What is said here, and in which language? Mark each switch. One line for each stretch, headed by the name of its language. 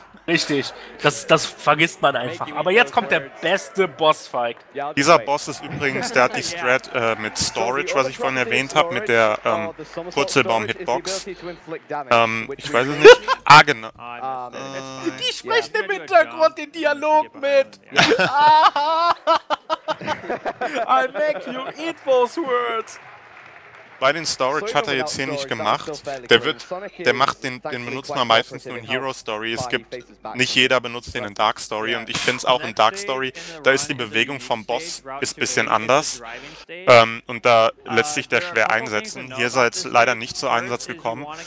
German: Richtig, das vergisst man einfach. Aber jetzt kommt der beste Bossfight. Dieser Boss ist übrigens, der hat die Strat mit Storage, was ich vorhin erwähnt habe, mit der Purzelbaum-Hitbox. Ich weiß es nicht. Ah, genau. Die sprechen im Hintergrund den Dialog mit.
English: I make you eat those words.
German: Bei den Storage hat er jetzt hier nicht gemacht. Der macht den benutzt man meistens nur in Hero Story. Es gibt nicht jeder benutzt den in Dark Story und ich finde es auch in Dark Story, da ist die Bewegung vom Boss ein bisschen anders. Und da lässt sich der schwer einsetzen. Hier ist er jetzt leider nicht zu Einsatz gekommen.